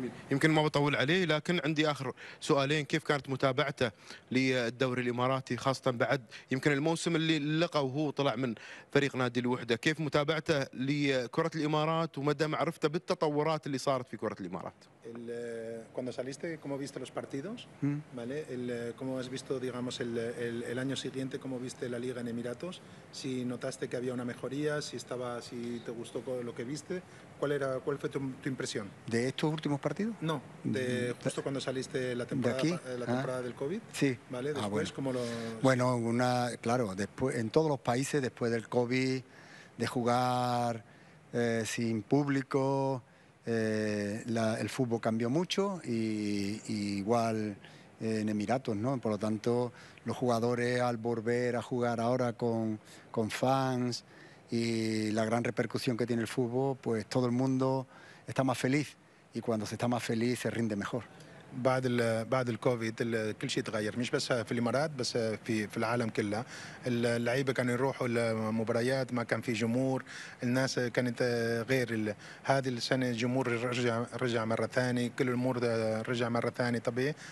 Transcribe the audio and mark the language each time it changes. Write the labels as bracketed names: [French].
[Arabic] يمكن ما بطول عليه، لكن عندي اخر سؤالين. كيف كانت متابعته للدوري الاماراتي خاصه بعد يمكن الموسم اللي لقى وهو طلع من فريق نادي الوحده؟ كيف متابعته لكره الامارات ومدى معرفته بالتطورات اللي صارت في كره الامارات؟ [Spanish] cuando saliste cómo viste los partidos vale el cómo has visto digamos el año siguiente cómo viste la liga en Emiratos si notaste que había una mejoría si estaba si te gustó lo que viste cuál fue tu impresión de estos últimos últimos partidos? No, de justo cuando saliste la temporada, ¿de aquí? La temporada del COVID. Sí. ¿Vale? Después, ¿cómo lo...? Bueno, después en todos los países, después del COVID, de jugar sin público, el fútbol cambió mucho y igual en Emiratos, ¿no? Por lo tanto, los jugadores al volver a jugar ahora con fans y la gran repercusión que tiene el fútbol, pues todo el mundo está más feliz y cuando se está más feliz se rinde mejor. [Arabic] بعد الكوفيد كل شيء تغير، مش بس في الامارات بس في العالم كله. اللعيبه كانوا يروحوا المباريات، ما كان في جمهور، الناس كانت غير. هذه السنه الجمهور رجع مره ثانيه، كل الامور رجع مره ثانيه طبيعي.